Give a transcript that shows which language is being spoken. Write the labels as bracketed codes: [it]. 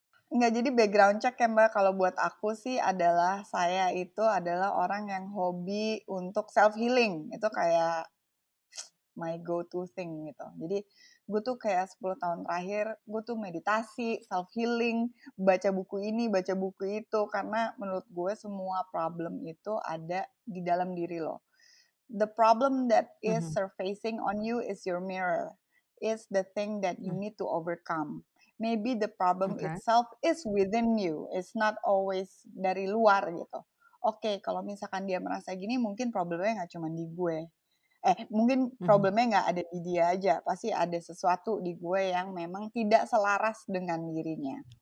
[id] Enggak, jadi background check ya Mbak, kalau buat aku sih adalah saya itu adalah orang yang hobi untuk self-healing. Itu kayak [en] my go-to thing [id] gitu. Jadi gue tuh kayak 10 tahun terakhir, gue tuh meditasi, self-healing, baca buku ini, baca buku itu. Karena menurut gue semua problem itu ada di dalam diri lo. [en] The problem that is surfacing on you is your mirror. It's the thing that you need to overcome. maybe the problem itself is within you. It's not always [id] dari luar gitu. Oke, kalau misalkan dia merasa gini, mungkin problemnya gak cuma di gue. Mungkin problemnya gak ada di dia aja. Pasti ada sesuatu di gue yang memang tidak selaras dengan dirinya.